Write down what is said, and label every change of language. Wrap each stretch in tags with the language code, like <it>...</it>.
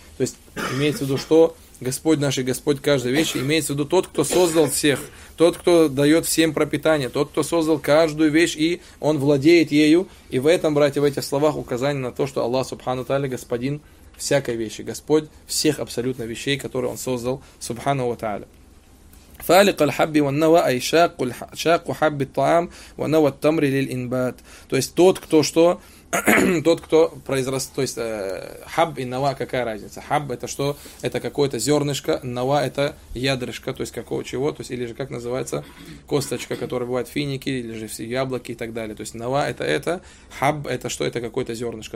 <ru>То есть имеется в виду, что Господь наш и Господь каждой вещи, имеется в виду тот, кто создал всех, тот, кто дает всем пропитание, тот, кто создал каждую вещь, и он владеет ею. И в этом, братья, в этих словах указание на то, что Аллах Субхану Тааля Господин всякой вещи, Господь всех абсолютно вещей, которые он создал, Субхану ва Тааля.</ru> <ar>فالق الحب والنوى اي شاق شاق حب الطعام ونوى التمر للانبات.</ar> <ru>То есть тот, кто что? Тот, кто произрастает, то есть хаб и нава, какая разница? Хаб это что? Это какое-то зернышко, нава это ядрышко, то есть какого чего, то есть или же как называется косточка, которая бывает в финике, или же все яблоки и так далее. То есть нава это, хаб это что? Это какое-то зернышко.</ru>